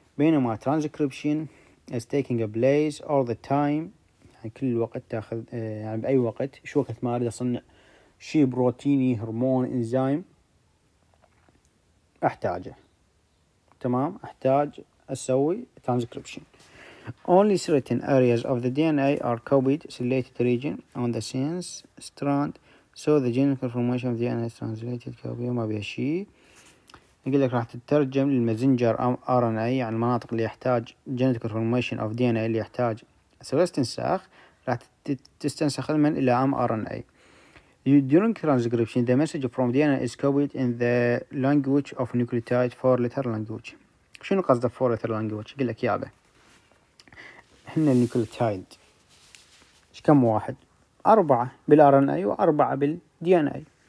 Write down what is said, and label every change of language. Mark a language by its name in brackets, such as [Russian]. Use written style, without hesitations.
[Arabic] بينما ترانسكريبشن [English] is taking a place all the time [Arabic] يعني كل وقت تاخذ يعني بأي وقت شو وقت ما اريد اصنع شي بروتيني هرمون انزيم احتاجه. تمام؟ احتاج اسوي ترانسكريبشن. [English] only certain areas of the DNA are copied selected region on the sense strand so the genetic information of the DNA is translated copy. [Arabic] ما بيها شي. يقول لك راح تترجم للمزنجر ار ان اي يعني المناطق اللي يحتاج جينيتيك انفورميشن اوف دي ان اي اللي يحتاج استنساخ راح تستنسخ من الى ام ار ان اي. [English] During transcription the message from DNA is copied in the language of nucleotide four letter language. [Arabic] شنو قصده four letter language؟ يقول لك يابا احنا النيوكليوتايد ايش كم واحد؟ أربعة بالار ان اي وأربعة بالدي ان اي.